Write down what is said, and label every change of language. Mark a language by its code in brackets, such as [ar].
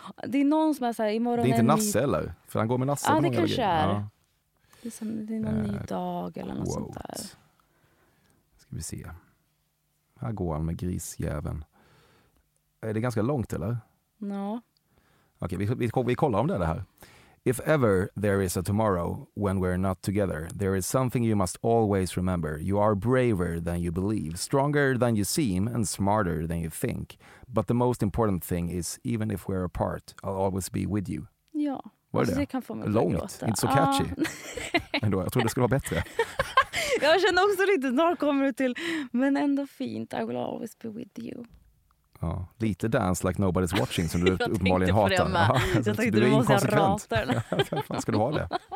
[sv] Det är någon som är så här, imorgon det är inte Nasse eller? För han går med Nasse. Ja, det kanske är. Ja. Det är som, det är någon ny dag eller något sånt där. Ska vi se. Här går han med grisjäveln. Är det ganska långt eller? Ja. Okay, vi kollar om det här. [en] If ever there is a tomorrow when we're not together, there is something you must always remember. You are braver than you believe, stronger than you seem, and smarter than you think. But the most important thing is, even if we're apart, I'll always be with you. [sv] Ja. Vad är det? Kan få mig långt, inte så catchy. Ändå, jag trodde det skulle vara bättre. Jag känner också lite, när kommer du till, men ändå fint, [en] I will always be with you. [sv] Ja, lite [en] dance like nobody's watching [sv] som du uppenbarligen hatar. Jag tänkte du måste ha ratern. Vad ska du ha det?